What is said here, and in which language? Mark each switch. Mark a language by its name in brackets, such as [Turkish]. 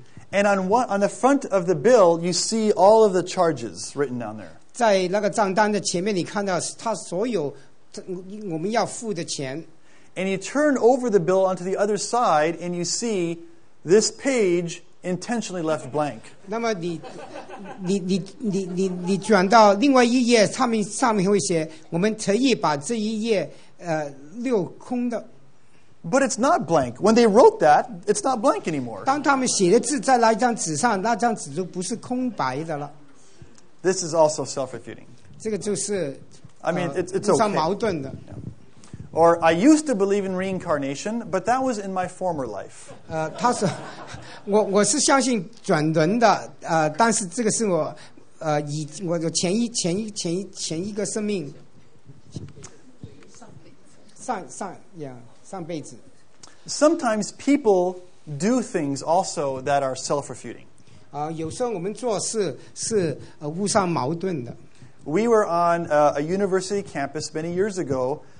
[English] And on the front of the bill, you see all of the charges written down there. [Chinese] 在那个账单的前面，你看到他所有我们要付的钱。 [English] And you turn over the bill onto the other side, and you see this page intentionally left blank. [Chinese] 那么你转到另外一页，上面会写，我们特意把这一页留空的。 [English] But it's not blank. When they wrote that, it's not blank anymore. [Chinese] 当他们写的字在那张纸上，那张纸就不是空白的了。 [English] This is also self-refuting. [Chinese] 这个就是 [English] I mean, it's okay. [Chinese] 互相矛盾的。 [English] Or I used to believe in reincarnation, but that was in my former life. [Chinese] 他说，我是相信转轮的，但是这个是我，以我的前一个生命，上辈子。 [English] Sometimes people do things also that are self-refuting. [Chinese] 有时候我们做事是互相矛盾的。 [English] We were on a university campus many years ago.